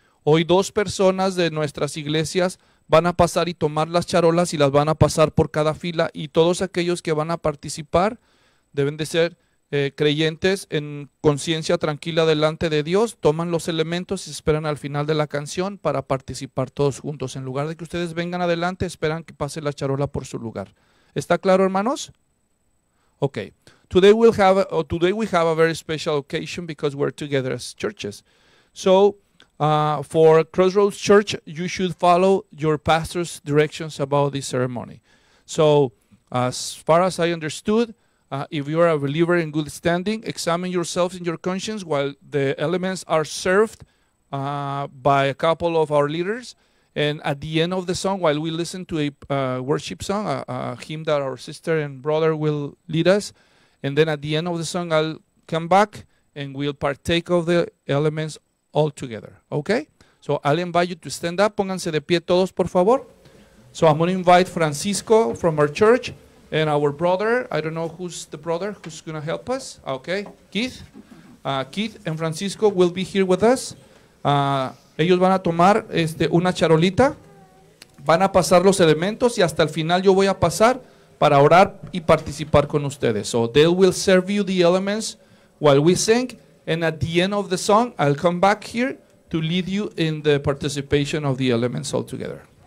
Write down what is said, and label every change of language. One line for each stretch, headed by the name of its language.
Spanish: Hoy dos personas de nuestras iglesias van a pasar y tomar las charolas y las van a pasar por cada fila y todos aquellos que van a participar deben de ser creyentes en conciencia tranquila delante de Dios, toman los elementos y esperan al final de la canción para participar todos juntos. En lugar de que ustedes vengan adelante, esperan que pase la charola por su lugar. ¿Está claro, hermanos? Okay.
English: Today we have a very special occasion because we're together as churches. So, for Crossroads Church, you should follow your pastor's directions about this ceremony. So, as far as I understood, if you are a believer in good standing, examine yourselves in your conscience while the elements are served by a couple of our leaders. And at the end of the song, while we listen to a worship song, a hymn that our sister and brother will lead us, and then at the end of the song, I'll come back and we'll partake of the elements all together. Okay? So I'll invite you to stand up.
Spanish: Pónganse de pie todos, por favor.
English: So I'm going to invite Francisco from our church. And our brother, I don't know who's the brother who's going to help us. Okay, Keith. Keith and Francisco will be here with us.
Spanish: Ellos van a tomar una charolita. Van a pasar los elementos y hasta el final yo voy a pasar para orar y participar con ustedes.
English: So they will serve you the elements while we sing. And at the end of the song, I'll come back here to lead you in the participation of the elements all together.